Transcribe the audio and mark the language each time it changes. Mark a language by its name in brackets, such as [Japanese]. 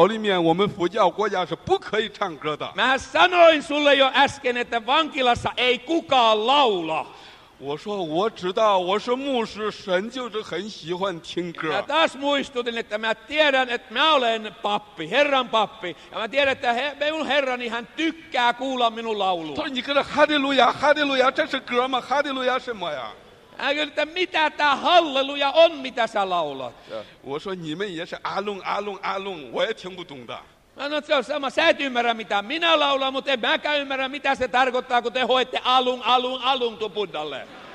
[Chinese] 他说难道我已经告诉你这个监牢里面我们佛教国家是不可以唱歌的. [Finnish] Mä sanoin sulle jo äsken, että vankilassa ei kukaan laula. [Chinese] 我说我知道我是牧师，神就是很喜欢听歌。 [Finnish] Ja taas muistutin, että mä tiedän, että mä olen pappi, Herran pappi. Ja mä tiedän, että minun Herrani, hän tykkää kuulla minun laulua. [Chinese] 他说你跟着哈利路亚，哈利路亚，这是歌吗？哈利路亚什么呀？ [Finnish] Hän kysyi, että mitä tämä halleluja on, mitä sä laulat? [Chinese] 我说你们也是阿隆阿隆阿隆，我也听不懂的。 [Finnish] Mä sanoin, että se on sama, sä et ymmärrä mitä minä laulan, mutta en mäkään ymmärrä mitä se tarkoittaa, kun te hoette alung, alung, alung tuon Buddhalle.